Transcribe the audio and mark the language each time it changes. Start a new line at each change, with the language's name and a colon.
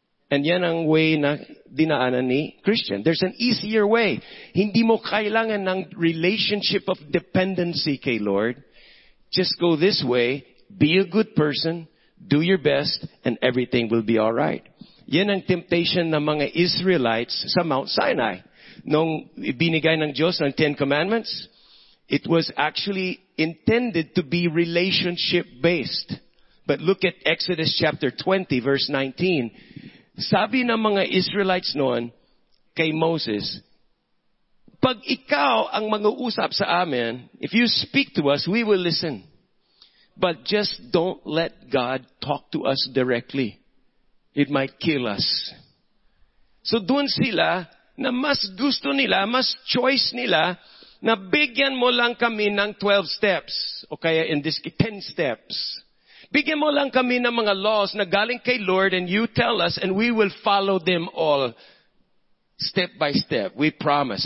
Filipino: And yan ang way na dinaanan ni Christian.
English: There's an easier way.
Filipino: Hindi mo kailangan ng
English: relationship of dependency
Filipino: kay Lord.
English: Just go this way, be a good person, do your best, and everything will be alright.
Filipino: Yan ang temptation ng mga Israelites sa Mount Sinai. Nung binigay ng Diyos ng
English: Ten Commandments, it was actually intended to be relationship-based. But look at Exodus chapter 20, verse 19.
Filipino: Sabi ng mga Israelites noon kay Moses, pag ikaw ang mag-uusap sa amin,
English: if you speak to us, we will listen. But just don't let God talk to us directly. It might kill us.
Filipino: So doon sila, na mas gusto nila, mas choice nila, na bigyan mo lang kami ng 12 steps. O kaya
English: in this 10 steps.
Filipino: Bigyan mo lang kami ng mga
English: laws
Filipino: na galing kay
English: Lord and you tell us and we will follow them all step by step. We promise.